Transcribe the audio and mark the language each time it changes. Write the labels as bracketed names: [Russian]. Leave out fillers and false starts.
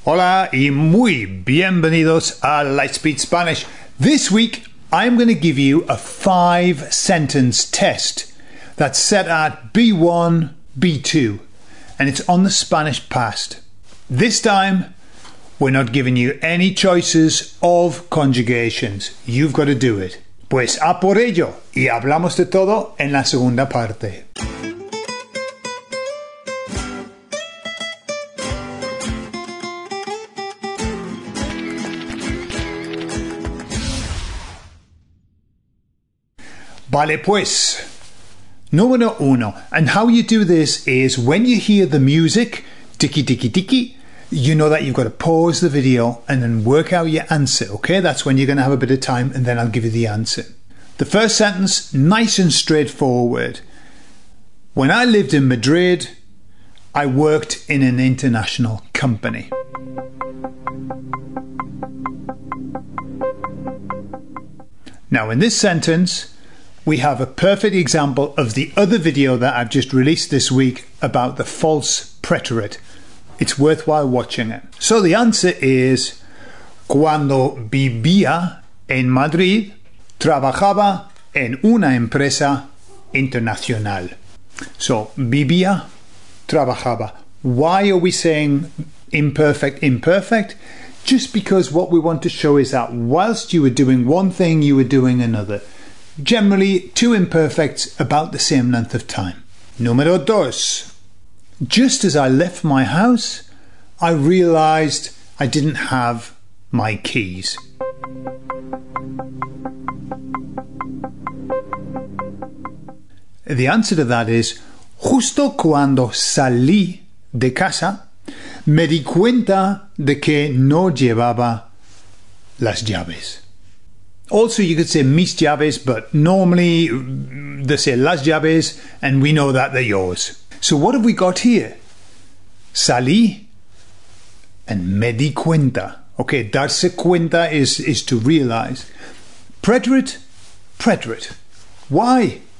[Spanish] Hola y muy bienvenidos a Lightspeed Spanish. [English] This week, I'm going to give you a five-sentence test that's set at B1, B2, and it's on the Spanish past. This time, we're not giving you any choices of conjugations. You've got to do it. [Spanish] Pues a por ello, y hablamos de todo en la segunda parte. Vale, pues. Número uno. [English] And how you do this is when you hear the music, tiki tiki tiki, you know that you've got to pause the video and then work out your answer, okay? That's when you're going to have a bit of time and then I'll give you the answer. The first sentence, nice and straightforward. When I lived in Madrid, I worked in an international company. Now, in this sentence, we have a perfect example of the other video that I've just released this week about the false preterite. It's worthwhile watching it. So the answer is, [Spanish] cuando vivía en Madrid, trabajaba en una empresa internacional. [English] So, vivía, trabajaba. Why are we saying imperfect, imperfect? Just because what we want to show is that whilst you were doing one thing, you were doing another. Generally, two imperfects about the same length of time. [Spanish] Número dos. [English] Just as I left my house, I realized I didn't have my keys. The answer to that is, [Spanish] justo cuando salí de casa, me di cuenta de que no llevaba las llaves. [English] Also, you could say [Spanish] mis llaves, [English] but normally they say [Spanish] las llaves, [English] and we know that they're yours. So what have we got here? Salí and [Spanish] me di cuenta. [English] Okay, darse cuenta is to realize. Preterite, preterite. Why?